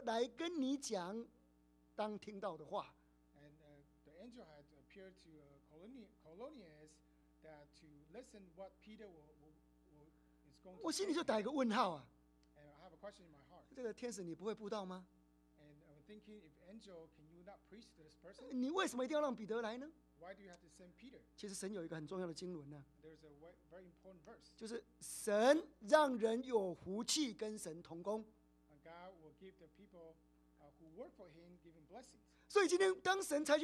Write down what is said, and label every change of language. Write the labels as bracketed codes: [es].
[zh] 神跟哥利流，这个天使跟哥利流显现说，你去找彼得来跟你讲，当听到的话。 [en] And the angel had appeared to Cornelius that to listen what Peter will is going to. [zh] 我心里就打一个问号啊。 [en] And I have a question in my heart. [zh] 这个天使你不会布道吗？ [en] And I'm thinking, if angel, can you not preach to this person? [zh] 你为什么一定要让彼得来呢？ [en] Why do you have to send Peter? [zh] 其实神有一个很重要的经纶呢。 [en] There's a very important verse. [zh] 就是神让人有福气跟神同工。 [en] God will give the people who work for Him giving blessings.